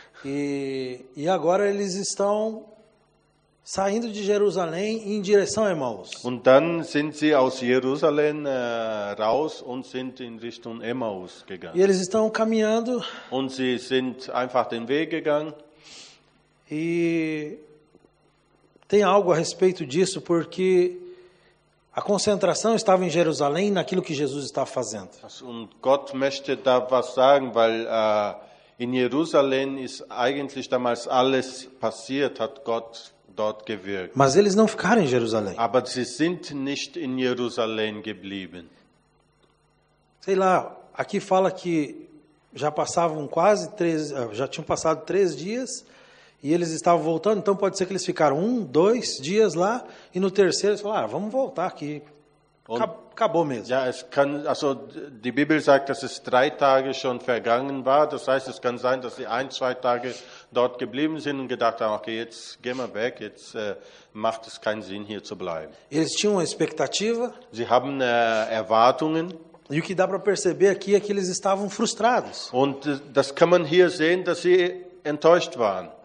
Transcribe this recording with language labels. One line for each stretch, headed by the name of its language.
Portuguese: E agora eles estão saindo de Jerusalém em direção a Emaús.
German: Und dann sind sie aus Jerusalém raus und sind in Richtung Emaús gegangen.
Portuguese: E eles estão caminhando.
German: Und sie sind einfach den Weg gegangen.
Portuguese: E tem algo a respeito disso, porque a concentração estava em Jerusalém, naquilo que Jesus estava fazendo.
German: Und Gott möchte da was sagen, weil in Jerusalém ist eigentlich damals alles passiert, hat Gott dort gewirkt.
Portuguese: Mas eles não ficaram em Jerusalém.
German: Aber sie sind nicht in Jerusalém geblieben.
Portuguese: Sei lá, aqui fala que já passavam quase 13, já tinham passado 3 dias E eles estavam voltando, então pode ser que eles ficaram um, dois dias lá, e no terceiro eles falaram, ah, vamos voltar aqui. Acabou mesmo.
German: Ja, es kann, also die Bibel sagt, dass es drei Tage schon vergangen war. Das heißt, es kann sein, dass sie ein, zwei Tage dort geblieben sind und gedacht haben, okay, jetzt gehen wir weg, jetzt macht es keinen Sinn, hier zu bleiben.
Portuguese: Eles tinham uma expectativa.
German: Sie haben Erwartungen.
Portuguese: E o que dá para perceber aqui é que eles estavam frustrados.
German: Und das kann man hier sehen, dass sie enttäuscht waren.